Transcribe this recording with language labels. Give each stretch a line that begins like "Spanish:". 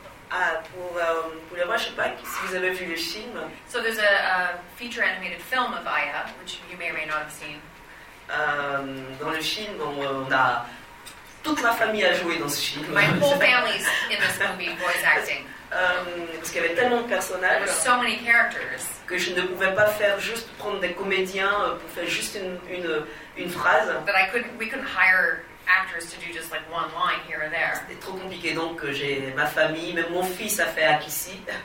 French: Ah, pour les voix, je ne sais pas si vous avez vu le film.
English: So there's a feature animated film of Aya, which you may or may not have seen.
French: Dans le film, on a toute ma famille a joué dans ce film.
English: My whole family's in this movie, voice acting.
French: Parce qu'il y avait tellement de personnages.
English: There were so many characters.
French: Que je ne pouvais pas faire juste prendre des comédiens pour faire juste une phrase.
English: That we couldn't hire. Actors to do just like one line here or there.
French: C'était trop compliqué donc j'ai ma famille, même mon fils a fait Akissi.